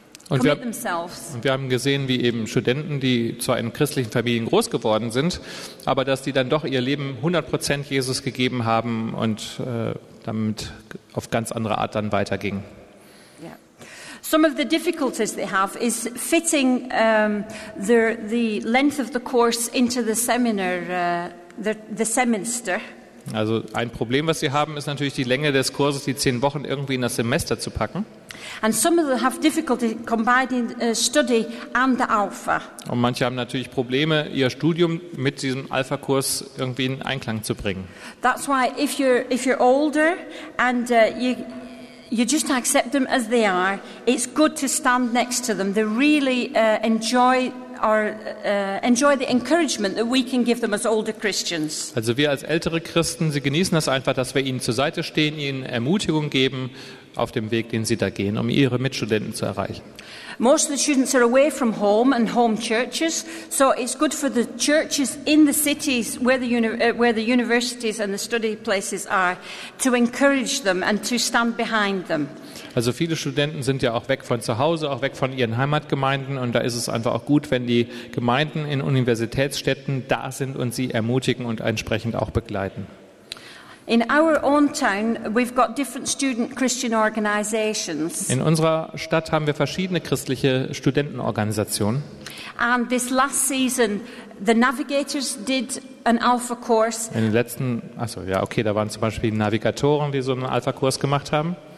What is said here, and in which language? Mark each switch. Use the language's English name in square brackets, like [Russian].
[German] Und wir haben gesehen, wie eben Studenten, die zwar in christlichen Familien groß geworden sind, aber dass die dann doch ihr Leben 100% Jesus gegeben haben und damit auf ganz andere Art dann weitergingen. [English] Some of the difficulties they have is fitting the length of the course into the seminar the semester. [German] Also ein Problem, was sie haben, ist natürlich die Länge des Kurses, die 10 Wochen irgendwie in das Semester zu packen. [English] And some of them have difficulty combining study and the Alpha. [German] Und manche haben natürlich Probleme, ihr Studium mit diesem Alpha-Kurs irgendwie in Einklang zu bringen. [English] That's why if you're older and you just accept them as they are, it's good to stand next to them. They really enjoy the encouragement that we can give them as older Christians. [German] Also wir als ältere Christen, sie genießen das einfach, dass wir ihnen zur Seite stehen, ihnen Ermutigung geben auf dem Weg, den sie da gehen, um ihre Mitstudenten zu erreichen. [English] Most of the students are away from home and home churches, so it's good for the churches in the cities where the universities and the study places are to encourage them and to stand behind them. [German] Also viele Studenten sind ja auch weg von zu Hause, auch weg von ihren Heimatgemeinden, und da ist es einfach auch gut, wenn die Gemeinden in Universitätsstädten da sind und sie ermutigen und entsprechend auch begleiten. [English] In our own town, we've got different student Christian organizations. [German] In unserer Stadt haben wir verschiedene christliche Studentenorganisationen. [English] And this last season, the Navigators did an Alpha course. [German] In den letzten, da waren zum Beispiel Navigatoren, die so einen Alpha-Kurs gemacht haben.